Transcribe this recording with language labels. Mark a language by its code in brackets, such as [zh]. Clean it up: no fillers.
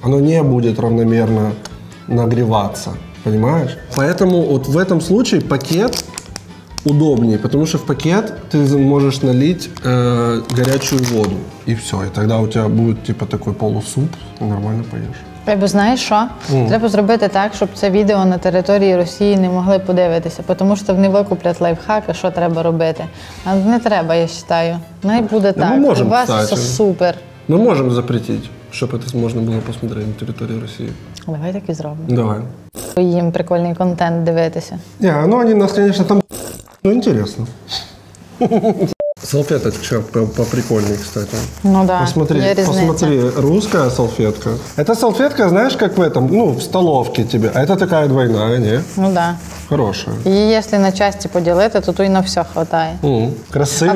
[ru] Оно не будет равномерно нагреваться, понимаешь? Поэтому вот в этом случае пакет удобнее, потому что в пакет ты можешь налить горячую воду, и все. И тогда у тебя будет типа такой полусуп, и нормально поешь. [uk] Або знаєш що? Треба зробити так, щоб це відео на території Росії не могли подивитися, тому що вони викуплять лайфхаки, що треба робити. А не треба, я вважаю. Най буде так. Ми можемо, у вас все супер. Ми можемо запретити, щоб це можна було подивитися на території Росії. Давай так і зробимо. Давай. Їм прикольний контент дивитися. Ні, ну вони нас, звісно, там... Ну, інтересно. [ru] Салфеточка поприкольней, кстати. Ну да, посмотри, я резная. Посмотри, русская салфетка. Эта салфетка, знаешь, как в этом, ну, в столовке тебе. А это такая двойная, не? Ну да. Хорошая. И если на части поделить, то тут и на все хватает. Красивый.